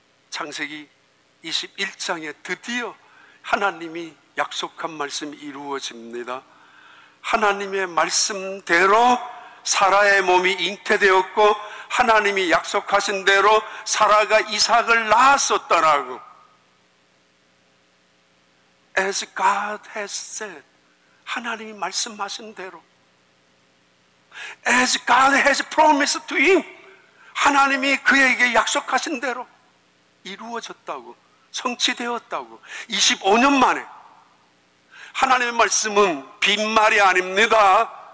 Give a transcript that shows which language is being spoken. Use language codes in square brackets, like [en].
[ko] 창세기 21장에 드디어 하나님이 약속한 말씀이 이루어집니다. 하나님의 말씀대로 사라의 몸이 잉태되었고 하나님이 약속하신 대로 사라가 이삭을 낳았었더라고. [en] As God has said, [ko] 하나님이 말씀하신 대로. [en] As God has promised to him, [ko] 하나님이 그에게 약속하신 대로 이루어졌다고, 성취되었다고. 25년 만에 하나님의 말씀은 빈말이 아닙니다.